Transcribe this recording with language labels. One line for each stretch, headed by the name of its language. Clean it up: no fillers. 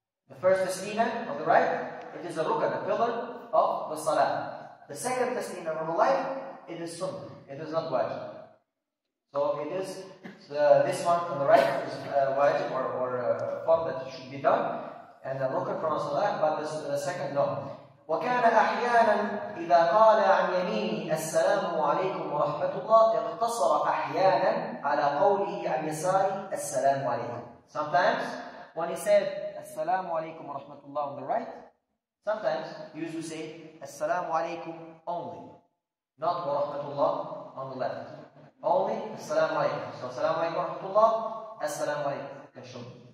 English: The first تسليمة on the right, it is a ركن, a pillar of the salah. The second تسليمة on the left, it is sunnah, it is not wajib. So it is this one on the right is wajib or form that should be done, and a ركن from the salah, but the second no.
Arabic: وكان أحيانا إذا قال عن يميني السلام عليكم ورحمة الله اقتصر أحيانا على قوله عن يساري السلام عليكم.
English: Sometimes when he said
Arabic: السلام عليكم ورحمة الله
English: on the right, sometimes he used to say السلام عليكم only, not ورحمة الله on the left, only السلام عليكم.
Arabic: So السلام عليكم ورحمة الله, السلام عليكم كشوم.